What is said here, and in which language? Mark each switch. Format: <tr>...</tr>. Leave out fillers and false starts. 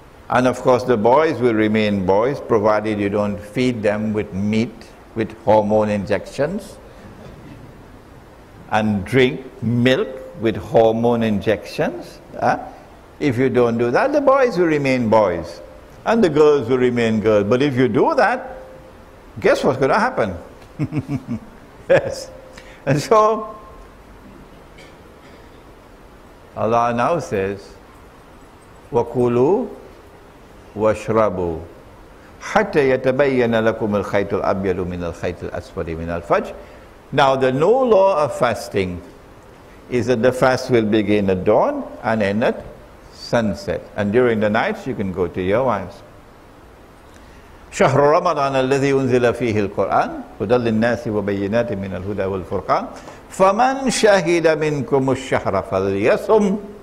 <en>And of course the boys will remain boys, provided you don't feed them with meat, with hormone injections, and drink milk with hormone injections. If you don't do that, the boys will remain boys and the girls will remain girls. But if you do that, guess what's going to happen? Yes. And so Allah now says,</en> <ar>وَكُلُوا وَشْرَبُوا حَتَّى يَتَبَيَّنَ لَكُمُ الْخَيْتُ الْأَبْيَضُ مِنَ الْخَيْتُ الْأَسْوَدِ مِنَ الْفَجْرِ.</ar> <en>Now the new law of fasting is that the fast will begin at dawn and end at sunset. And during the night you can go to your wives.</en> <ar>شَهْرُ رَمَضَانَ الَّذِي أُنزِلَ فِيهِ الْقُرْآنِ هُدَى لِلنَّاسِ وَبَيِّنَاتٍ مِنَ الْهُدَى وَالْفُرْقَانِ فَمَنْ شَهِدَ مِنْكُمُ الشَّهْرَ فَلْيَصُمْ.</ar>